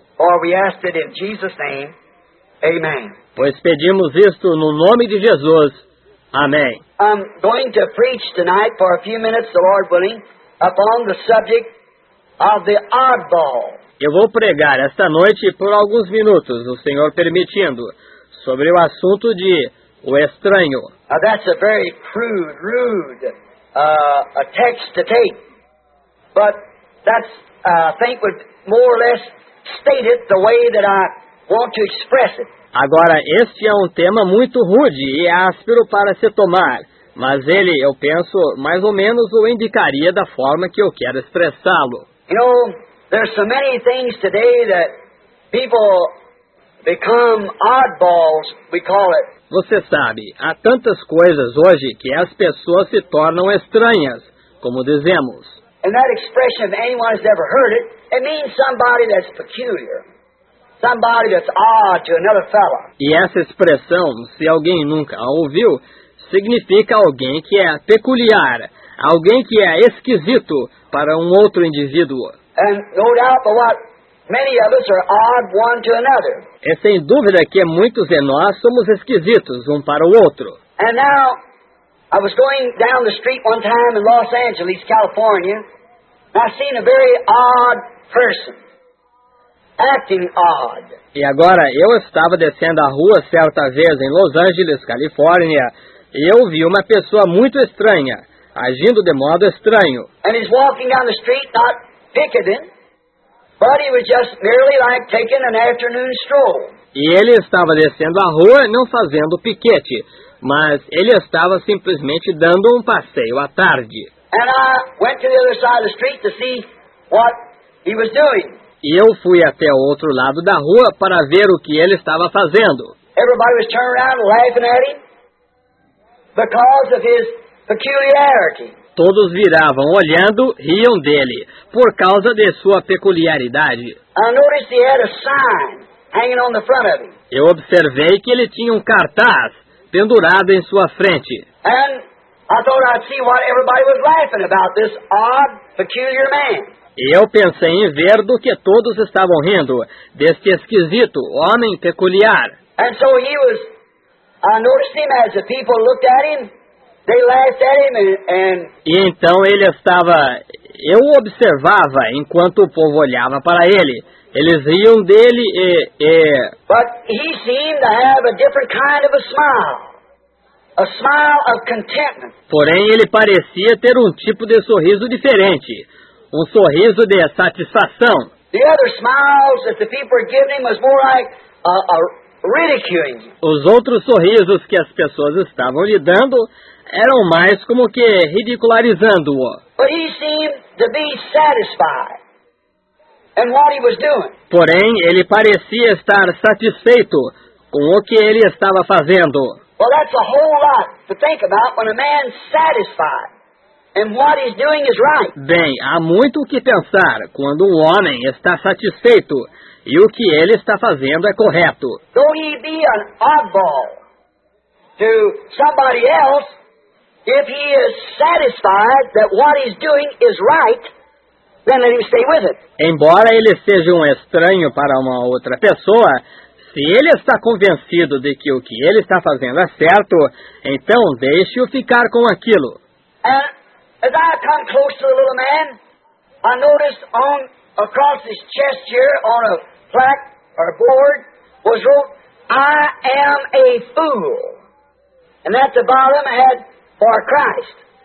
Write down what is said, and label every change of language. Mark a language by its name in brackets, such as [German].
[English] For we ask it in Jesus' name. Amen. [Portuguese] Pois pedimos isto no nome de Jesus. Amém. [English] I'm going to preach tonight for a few minutes, the Lord willing, upon the subject of the oddball. [Portuguese] Eu vou pregar esta noite por alguns minutos, o Senhor permitindo, sobre o assunto de o estranho. [English] Now that's a very crude, rude text to take. But that's, I think, would more or less state it the way that I want to express it. [Portuguese] Agora, este é um tema muito rude e áspero para se tomar, mas ele, eu penso, mais ou menos o indicaria da forma que eu quero expressá-lo. [English] You know, there's so many things today that people become oddballs, we call it. [Portuguese] Você sabe, há tantas coisas hoje que as pessoas se tornam estranhas, como dizemos. [English] And that expression, if anyone has ever heard it, it means somebody that's peculiar. Somebody that's odd to another fellow. [Portuguese] E essa expressão, se alguém nunca a ouviu, significa alguém que é peculiar, alguém que é esquisito para um outro indivíduo. [English] And no doubt but what many of us are odd one to another. [Portuguese] É sem dúvida que muitos de nós somos esquisitos um para o outro. [English] And now, I was going down the street one time in Los Angeles, California, and I seen a very odd person. Acting odd. [Portuguese] E agora, eu estava descendo a rua certa vez em Los Angeles, Califórnia, e eu vi uma pessoa muito estranha, agindo de modo estranho. [English] And he's walking down the street, not picketing, but he was just merely like taking an afternoon stroll. [Portuguese] E ele estava descendo a rua, não fazendo piquete, mas ele estava simplesmente dando um passeio à tarde. [English] And I went to the other side of the street to see what he was doing. [Portuguese] E eu fui até o outro lado da rua para ver o que ele estava fazendo. [English] Everybody was turning around laughing at him because of his peculiarity. [Portuguese] Todos viravam olhando, riam dele, por causa de sua peculiaridade. [English] I noticed he had a sign hanging on the front of him. [Portuguese] Eu observei que ele tinha um cartaz pendurado em sua frente. [English] And I thought I'd see what everybody was laughing about, this odd, peculiar man. [Portuguese] E eu pensei em ver do que todos estavam rindo, deste esquisito homem peculiar. [English] And so he was, I noticed him as the people looked at him, they laughed at him and... [Portuguese] E então ele estava, eu observava enquanto o povo olhava para ele. Eles riam dele e... [English] But he seemed to have a different kind of a smile. A smile of contentment. [Portuguese] Porém ele parecia ter um tipo de sorriso diferente. Um sorriso de satisfação. [English] The other smiles that the people were giving him was more like a ridiculing. [Portuguese] Os outros sorrisos que as pessoas estavam lhe dando eram mais como que ridicularizando-o. [English] But he seemed to be satisfied. and what he was doing. [Portuguese] Porém, ele parecia estar satisfeito com o que ele estava fazendo. [English] Well, that's a whole lot to think about when a man's satisfied and what he's doing is right. [Portuguese] Bem, há muito o que pensar quando um homem está satisfeito e o que ele está fazendo é correto. [English] Though he be an oddball to somebody else, if he is satisfied that what he's doing is right, then let him stay with it. [Portuguese] Embora ele seja um estranho para uma outra pessoa, se ele está convencido de que o que ele está fazendo é certo, então deixe-o ficar com aquilo. [English] And as I come close to the little man, I noticed on across his chest here on a plaque or a board was wrote, "I am a fool," and at the bottom had "For Christ."